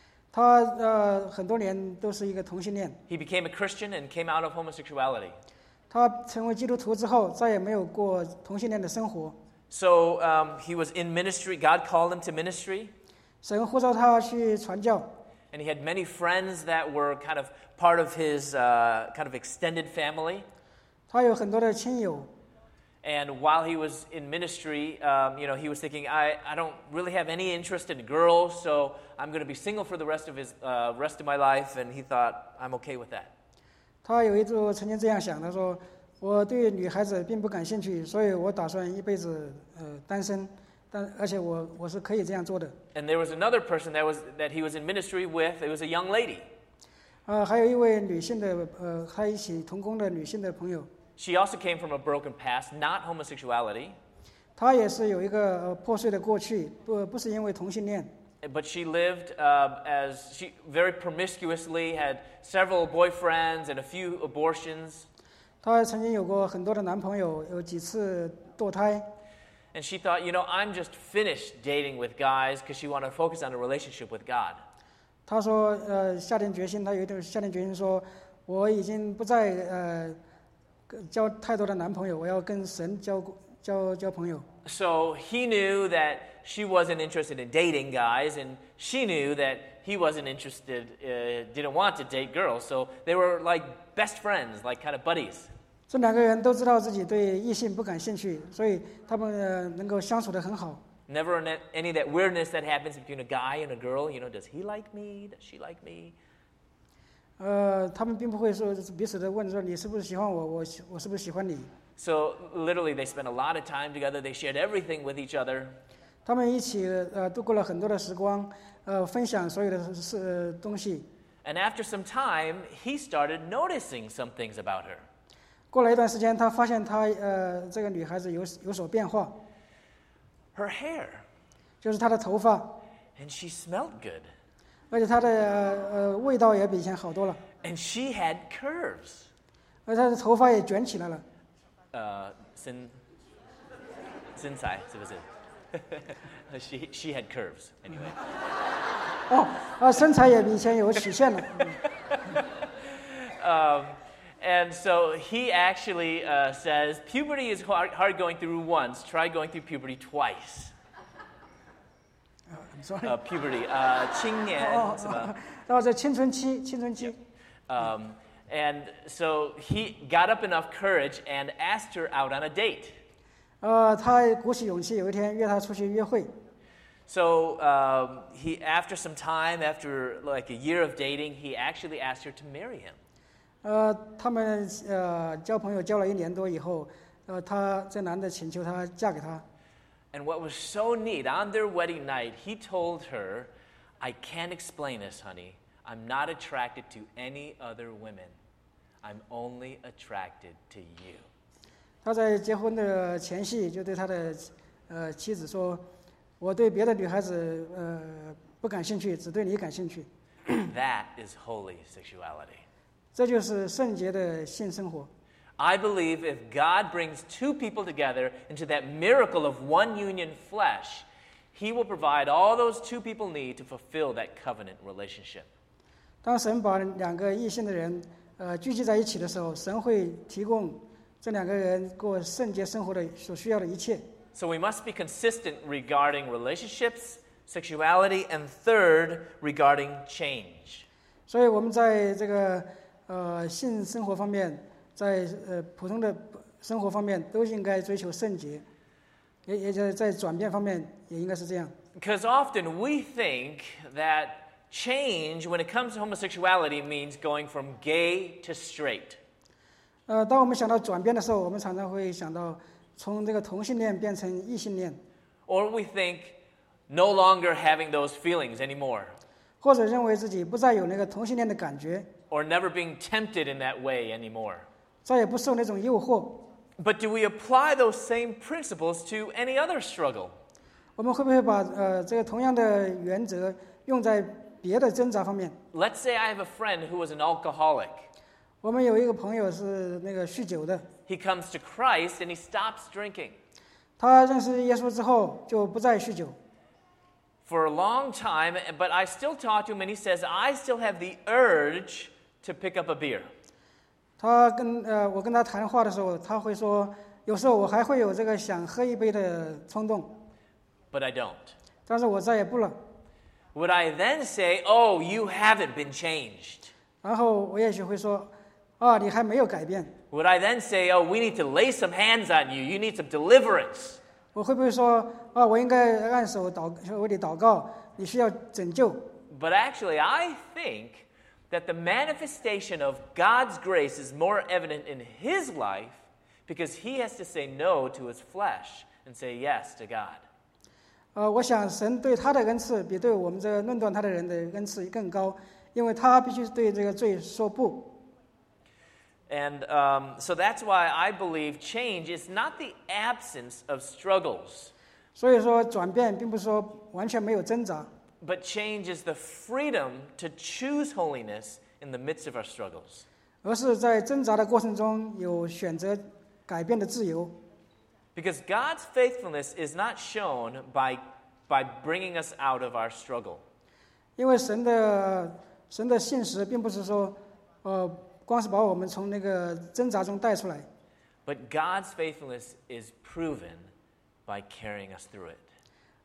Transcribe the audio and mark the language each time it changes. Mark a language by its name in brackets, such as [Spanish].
[Chinese] 他, 很多年都是一个同性恋。 [English] He became a Christian and came out of homosexuality. [Chinese] 他成为基督徒之后, 再也没有过同性恋的生活。 [English] So he was in ministry. God called him to ministry. [Chinese] 神呼召他去传教。 [English] And he had many friends that were kind of part of his kind of extended family. [Chinese] 他有很多的亲友。 [English] And while he was in ministry, he was thinking, I don't really have any interest in girls, so I'm going to be single for the rest of his rest of my life. And he thought, I'm okay with that. [Chinese] 他有一次曾经这样想，他说。我对女孩子并不感兴趣，所以我打算一辈子 单身，但而且我是可以这样做的。 [English] And there was another person that he was in ministry with. It was a young lady. [Chinese] 还有一位女性的 她一起同工的女性的朋友。 [English] She also came from a broken past, not homosexuality. [Chinese] 她也是有一个 破碎的过去，不是因为同性恋。 [English] But she lived as she very promiscuously had several boyfriends and a few abortions. [Chinese] 她曾经有过很多的男朋友，有几次堕胎。 [English] And she thought, I'm just finished dating with guys because she wanted to focus on a relationship with God. [Chinese] 她说, 下定决心说, 我已经不再, 交太多的男朋友，我要跟神交朋友。 [English] So he knew that she wasn't interested in dating guys, and she knew that he wasn't interested, didn't want to date girls. So they were like best friends, like kind of buddies. [Chinese] 这两个人都知道自己对异性不感兴趣，所以他们能够相处得很好。 [English] Never any of that weirdness that happens between a guy and a girl. Does he like me? Does she like me? [Chinese] 他们并不会说彼此的问说你是不是喜欢我，我是不是喜欢你。 [English] So literally, they spent a lot of time together. They shared everything with each other. [Chinese] 他们一起度过了很多的时光，分享所有的事东西。 [English] And after some time, he started noticing some things about her. [Chinese] 过了一段时间，他发现他这个女孩子有所变化。 [English] Her hair. [Chinese] 就是她的头发。 [English] And she smelled good. [Chinese] 而且她的味道也比以前好多了。 [English] And she had curves. [Chinese] 而她的头发也卷起来了。身材是不是？ [English] she had curves anyway. [Chinese] 身材也比以前有曲线了。 [English] And so he actually says puberty is hard going through once. Try going through puberty twice. I'm sorry. [Chinese] Puberty, 青年是吧？哦，在青春期。 [English] And so he got up enough courage and asked her out on a date. [Chinese] 他鼓起勇气，有一天约她出去约会。 [English] So he, after some time, after like a year of dating, he actually asked her to marry him. [Chinese] 他们交朋友交了一年多以后，他这男的请求她嫁给他。 [English] And what was so neat on their wedding night, he told her, "I can't explain this, honey. I'm not attracted to any other women. I'm only attracted to you." [Chinese] 他在结婚的前夕就对他的妻子说，我对别的女孩子不感兴趣，只对你感兴趣。 [English] That is holy sexuality. [Chinese] 这就是圣洁的性生活。 [English] I believe if God brings two people together into that miracle of one union flesh, He will provide all those two people need to fulfill that covenant relationship. [Chinese] 当神把两个异性的人聚集在一起的时候，神会提供这两个人过圣洁生活的所需要的一切。 [English] So we must be consistent regarding relationships, sexuality, and third, regarding change. [Chinese] 所以我们在这个性生活方面，在普通的生活方面，都应该追求圣洁，也就是在转变方面也应该是这样。 [English] Because often we think that change when it comes to homosexuality means going from gay to straight. [Chinese] 当我们想到转变的时候，我们常常会想到从这个同性恋变成异性恋。 [English] Or we think no longer having those feelings anymore. [Chinese] 或者认为自己不再有那个同性恋的感觉。 [English] Or never being tempted in that way anymore. [Chinese] 再也不受那种诱惑。 [English] But do we apply those same principles to any other struggle? [Chinese] 我们会不会把这个同样的原则用在别的挣扎方面？ [English] Let's say I have a friend who was an alcoholic. [Chinese] 我们有一个朋友是那个酗酒的。 [English] He comes to Christ and he stops drinking. [Chinese] 他认识耶稣之后就不再酗酒。 [English] For a long time, but I still talk to him and he says, I still have the urge to pick up a beer. [Chinese] 他跟我跟他谈话的时候，他会说，有时候我还会有这个想喝一杯的冲动。 [English] But I don't. [Chinese] 但是我再也不了。 [English] Would I then say, oh, you haven't been changed? [Chinese] 然后我也许会说，啊，你还没有改变。 [English] Would I then say, oh, we need to lay some hands on you. You need some deliverance. [Chinese] 我会不会说，啊，我应该按手祷，为你祷告，你需要拯救。 [English] But actually, I think that the manifestation of God's grace is more evident in his life because he has to say no to his flesh and say yes to God. [Chinese] 我想神对他的恩赐比对我们这个论断他的人的恩赐更高，因为他必须对这个罪说不。 [English] And so that's why I believe change is not the absence of struggles. [Chinese] 所以说转变并不是说完全没有挣扎。 [English] But change is the freedom to choose holiness in the midst of our struggles. [Chinese] 而是在挣扎的过程中有选择改变的自由。 [English] Because God's faithfulness is not shown by bringing us out of our struggle. [Chinese] 因为神的信实并不是说光是把我们从那个挣扎中带出来。 [English] But God's faithfulness is proven by carrying us through it.